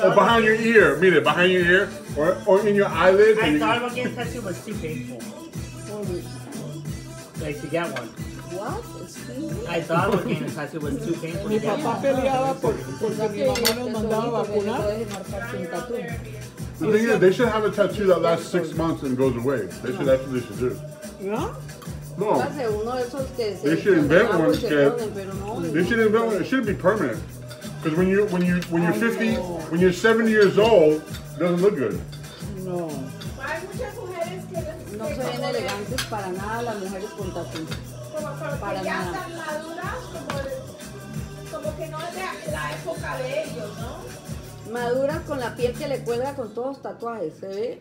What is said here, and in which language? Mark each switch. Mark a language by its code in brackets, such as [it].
[en] or behind your ear, behind your ear, or in your eyelid. I thought about getting tattooed, but it's too painful. Like, to get one. What? I thought about getting tattooed, but it's too painful. [es] Mi papá peleaba porque mi mamá nos mandaba vacunar. [en] The thing is, they should have a tattoo that lasts 6 months and goes away. That's what they should do. Yeah? No. They should invent one. They should invent one. It should be permanent. Because when you're 50, when you're 70 years old, it doesn't look good. No. [es] No se ven elegantes para nada las mujeres con tatuajes. Para nada. Ya están maduras, como que no es la época de ellos, ¿no? Maduras con la piel que le cuelga con todos los tatuajes, se ve